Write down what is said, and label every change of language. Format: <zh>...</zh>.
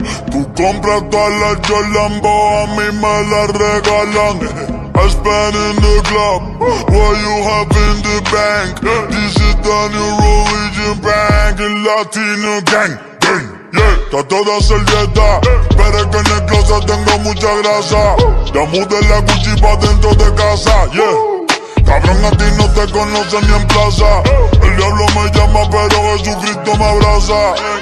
<es>Tú compras todas las Jolambo, a mí me las regalan.</es> <en>I spend in the club, what you have in the bank. This is the new religion bank,</en> <es>el latino</es> <en>gang, gang.</en> <es>Yeah, está toda servieta, pero es que en el closet tengo mucha grasa. Ya mudé la Gucci pa' dentro de casa, yeah. Cabrón, a ti no te conoce ni en plaza. El diablo me llama, pero Jesucristo me abraza.</es>